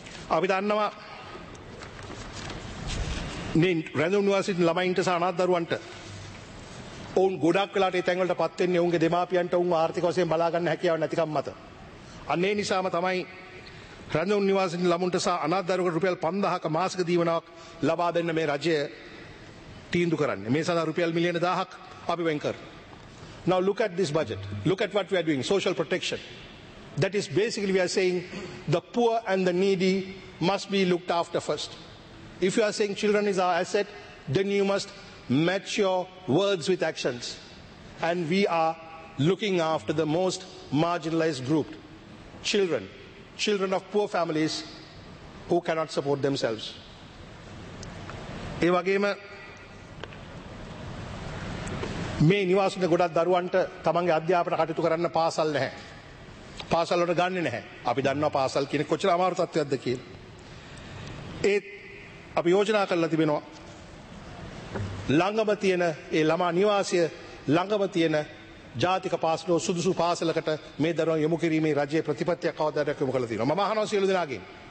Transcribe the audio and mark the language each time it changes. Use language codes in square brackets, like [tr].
[si] අපි දන්නවා මේ රැඳුණු නිවාසීන් ළමයින්ට සහ අනාථ දරුවන්ට ඔවුන් ගොඩක් වෙලාට ඒ තැන්වලට පත් වෙන්නේ ඔවුන්ගේ දෙමාපියන්ට ඔවුන් ආර්ථික වශයෙන් බලා ගන්න හැකියාව නැතිකම් මත. අන්න ඒ නිසාම තමයි රැඳුණු නිවාසීන් ළමුන්ට සහ අනාථ දරුවන්ට රුපියල් 5000ක මාසික දීවනාවක් ලබා දෙන්න මේ රජය තීන්දුව කරන්නේ. මේ සඳහා රුපියල් මිලියන 1000ක් අපි වෙන් කරා. [en] Now look at this budget. Look at what we are doing. Social protection. That is basically we are saying the poor and the needy must be looked after first. If you are saying children is our asset, then you must match your words with actions. And we are looking after the most marginalized group. Children. Children of poor families who cannot support themselves. [si] Ewageema මේ නිවාසුන්ට ගොඩක් දරුවන්ට තමන්ගේ අධ්‍යාපන කටයුතු කරන්න පාසල් නැහැ. පාසල් වලට ගන්නේ නැහැ. අපි දන්නවා පාසල් කියන්නේ කොච්චර අමාරු තත්ත්වයක්ද කියලා. ඒත් අපි යෝජනා කරලා තිබෙනවා ළඟම තියෙන ඒ ළමා නිවාසය ළඟම තියෙන ජාතික පාසල සුදුසු පාසලකට මේ දරුවන් යොමු කිරීමේ රජයේ ප්‍රතිපත්තියක් අවධාරණයක් යොමු කරලා තියෙනවා. මම අහනවා සියලු දෙනාගෙන්.